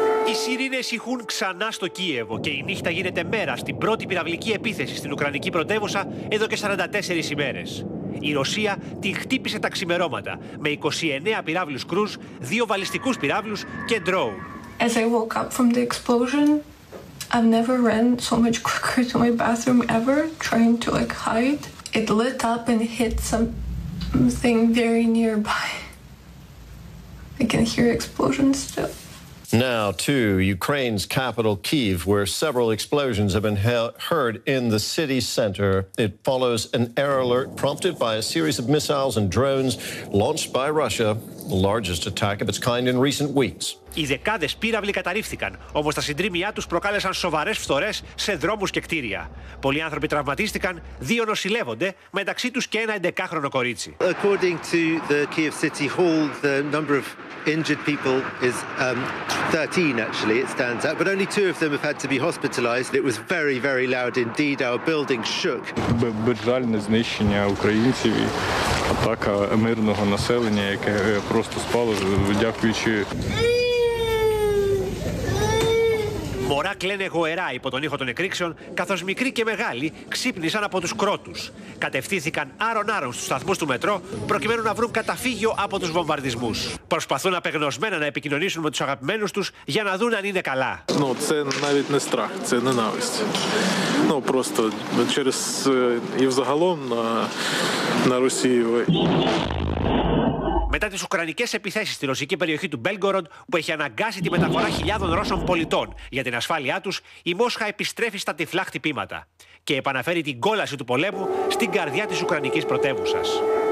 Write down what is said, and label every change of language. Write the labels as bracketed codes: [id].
[el] Οι σιρήνες ηχούν ξανά στο Κίεβο και η νύχτα γίνεται μέρα στην πρώτη πυραυλική επίθεση στην Ουκρανική πρωτεύουσα εδώ και 44 ημέρες. Η Ρωσία την χτύπησε τα ξημερώματα με 29 πυράβλους κρούς, 2 βαλιστικούς πυράβλους και ντρόουν. [en] As I woke up from the explosion, I've never ran so much quicker to my bathroom ever, trying to like hide. It lit up and hit something very nearby. I can hear explosions still. Now to Ukraine's capital, Kyiv, where several explosions have been heard in the city center. It follows an air alert prompted by a series of missiles and drones launched by Russia, the largest attack of its kind in recent weeks. [el] Οι δεκάδες πύραυλοι καταρρίφθηκαν, όμως τα συντρίμμια τους προκάλεσαν σοβαρές φθορές σε δρόμους και κτίρια. Πολλοί άνθρωποι τραυματίστηκαν, δύο νοσηλεύονται, μεταξύ τους και ένα 11χρονο κορίτσι. [en] According to the Kyiv City Hall, the number of injured people is 13 actually, it stands out, but only two of them have had to be hospitalized. It was very, very loud indeed. Our building shook. [uk] Безжальне знищення українців, атака мирного населення, яке просто спало, дякуючи. [el] Μωρά κλαίνε γοερά υπό τον ήχο των εκρήξεων, καθώς μικροί και μεγάλοι ξύπνησαν από τους κρότους. Κατευθύνθηκαν άρον-άρον στους σταθμούς του μετρό, προκειμένου να βρουν καταφύγιο από τους βομβαρδισμούς. Προσπαθούν απεγνωσμένα να επικοινωνήσουν με τους αγαπημένους τους για να δουν αν είναι καλά. [uk] Ну, це навіть не страх, це ненависть. Ну, просто через і взагалом на Росії. [el] Μετά τις ουκρανικές επιθέσεις στη ρωσική περιοχή του Μπέλγκοροντ, που έχει αναγκάσει τη μεταφορά χιλιάδων Ρώσων πολιτών για την ασφάλειά τους, η Μόσχα επιστρέφει στα τυφλά χτυπήματα και επαναφέρει την κόλαση του πολέμου στην καρδιά της Ουκρανικής πρωτεύουσας.